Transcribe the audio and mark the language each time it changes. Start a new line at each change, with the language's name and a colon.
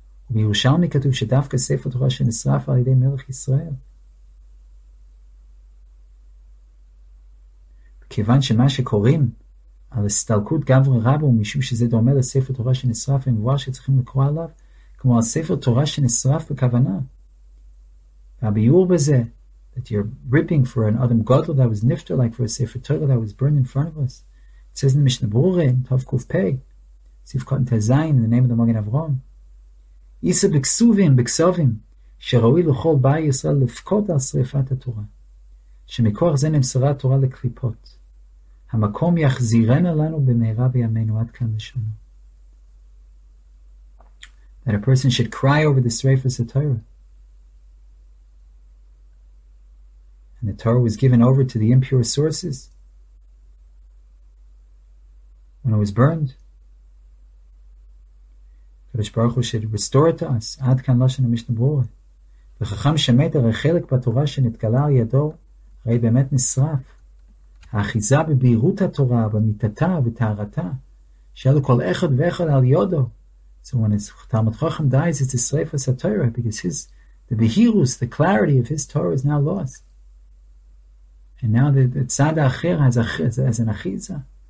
Hebrew: ובירושלמי כתוב שדווקא ספר תורה שנשרף על ידי מלך ישראל. כיוון שמה שקוראים על הסתלקות גבר רבו, משום שזה דומה לספר תורה שנשרף, הם מבואר שצריכים לקרוא עליו, כמו על ספר תורה שנשרף בכוונה. והביור בזה,
English: that you're ripping for an Adam Godel that was nifter like for a Sefer Torah that was burned in front of us. It says in the Mishnah Berurah, in Tav Kuf Pei, Sif Kot and Tezayin, in the name of the Magen Avraham,
Hebrew: Isa Biksuvim, Biksovim, שראוי לכל בעי ישראל לפקוד על שריפת התורה, שמכוח זה נמסרה התורה לקליפות. המקום יחזירנה לנו במהרה בימינו עד כאן לשונו.
English: That a person should cry over the Sreifas of Torah. And the Torah was given over to the impure sources when it was burned.
Hebrew: Kadosh Baruch Hu
English: should restore it to us.
Hebrew: Ad kan lashon ha-Mishnah Berurah. V'chacham shemet hari chelek batorah shenitgala al yado הרי באמת נשרף. האחיזה בבהירות התורה, במיטתה ובטהרתה, שיהיה לו כל אחד ואחד על יודו.
English: So when his Talmud Chacham dies, it's a Sreifas HaTorah, because the behirus, the clarity of his Torah is now lost. And now the tzad האחר has an אחיזה.